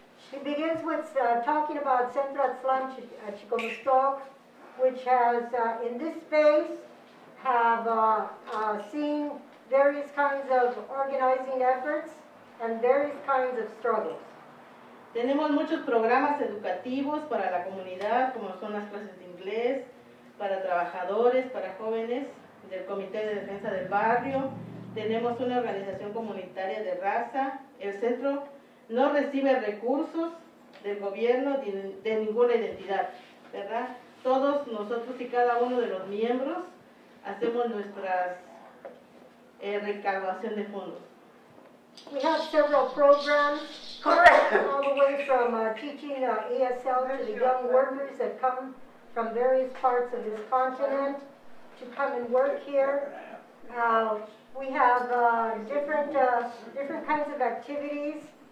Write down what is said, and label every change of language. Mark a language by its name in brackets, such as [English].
[English] She begins with talking about Centro Aztlan Chicomiztoc, which has, in this space, have seen various kinds of organizing efforts and various kinds of struggles. [Spanish] Tenemos muchos programas educativos para la comunidad, como son las clases de inglés, para trabajadores, para jóvenes, del Comité de Defensa del Barrio. Tenemos una organización comunitaria de raza. El centro no recibe recursos del gobierno de ninguna identidad, ¿verdad? Todos nosotros y cada uno de los miembros hacemos nuestras recaudación de fondos. [English] We have several programs, correct, all the way from teaching ESL to the young workers that come from various parts of this continent to come and work here. We have different kinds of activities.